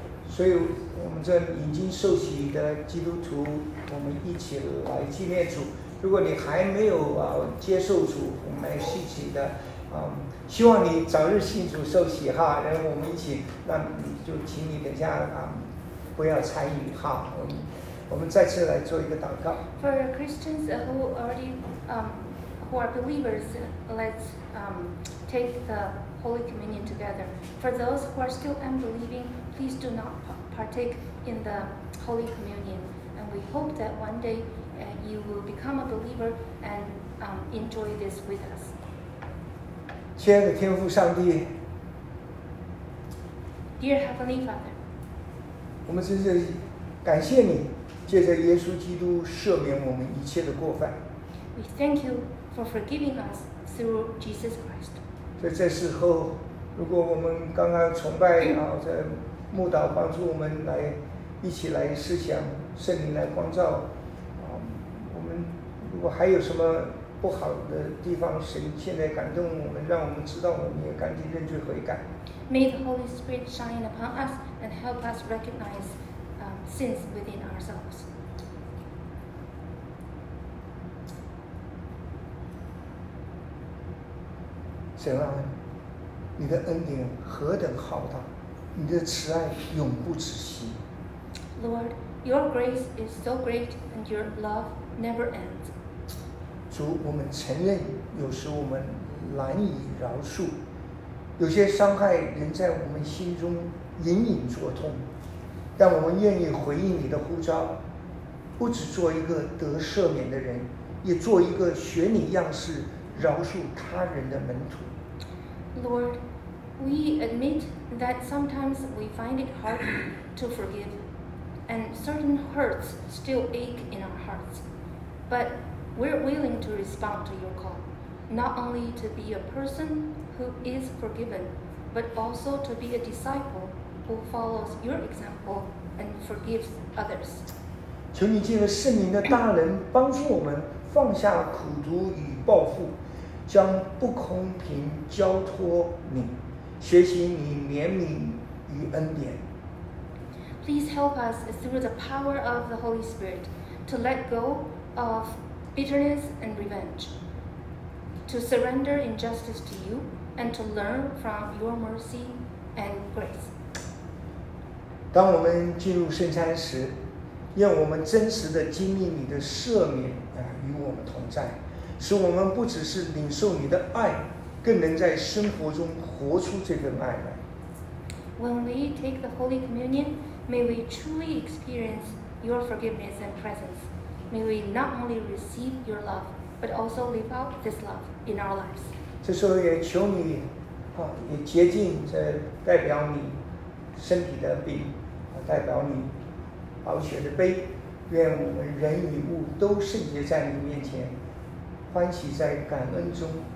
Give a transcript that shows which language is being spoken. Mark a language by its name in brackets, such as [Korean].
[Chinese] 所以我们这已经受洗的基督徒，我们一起来纪念主。如果你还没有接受主，我们来一起的，希望你早日信主受洗哈。然后我们一起，那就请你等下不要参与哈。我们再次来做一个祷告。 [English] For Christians who already who are believers, let's take the Holy Communion together. For those who are still unbelieving. Please do not partake in the Holy Communion. And we hope that one day you will become a believer and enjoy this with us. [Chinese] 亲爱的天父上帝， [English] Dear Heavenly Father, [Chinese] 我们真是感谢你借着耶稣基督赦免我们一切的过犯。 [English] We thank you for forgiving us through Jesus Christ. [Chinese] 在这时候，如果我们刚刚崇拜在牧导帮助我们来一起来思想，圣灵来光照我们，如果还有什么不好的地方，神现在感动我们，让我们知道，我们也赶紧认罪悔改。 [English] May the Holy Spirit shine upon us and help us recognize sins within ourselves. [Chinese] 神啊，你的恩典何等浩大，你的慈爱永不止息。 [English] Lord, your grace is so great and your love never ends. [Chinese] 主，我们承认有时我们难以饶恕，有些伤害仍在我们心中隐隐作痛，但我们愿意回应你的呼召，不只做一个得赦免的人，也做一个学你样式饶恕他人的门徒。 [English] Lord,We admit that sometimes we find it hard to forgive, and certain hurts still ache in our hearts. But we're willing to respond to your call, not only to be a person who is forgiven, but also to be a disciple who follows your example and forgives others. [Chinese] 求你借着圣灵的大能帮助我们放下苦毒与报复，将不公平交托你。学习你怜悯与恩典。 [English] Please help us through the power of the Holy Spirit to let go of bitterness and revenge, to surrender injustice to you, and to learn from your mercy and grace. [Chinese] 当我们进入圣餐时，愿我们真实的经历你的赦免与我们同在，使我们不只是领受你的爱，更能在生活中活出这份爱来。 [English] When we take the Holy Communion, may we truly experience your forgiveness and presence. May we not only receive your love, but also live out this love in our lives. [Chinese] 这时候也求你，也洁净这代表你身体的饼，代表你宝血的杯。愿我们人与物都圣洁在你面前，欢喜在感恩中。